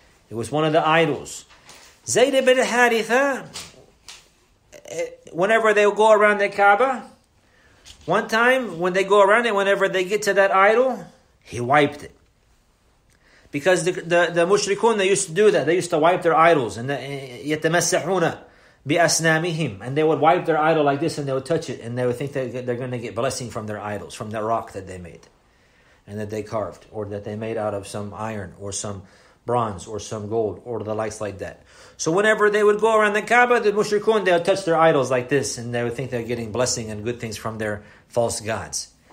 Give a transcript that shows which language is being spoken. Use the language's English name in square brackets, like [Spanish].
[English] It was one of the idols. Zayd ibn Haritha, whenever they would go around the Kaaba, one time when they go around it, whenever they get to that idol, he wiped it. Because the mushrikun, they used to do that. They used to wipe their idols. And [Arabic] يَتَمَسَّحُونَ بِأَسْنَامِهِمْ. [English] And they would wipe their idol like this, and they would touch it, and they would think that they're going to get blessing from their idols, from that rock that they made, and that they carved, or that they made out of some iron, or some bronze, or some gold, or the likes like that. So whenever they would go around the Kaaba, the mushrikun, they would touch their idols like this, and they would think they're getting blessing and good things from their false gods.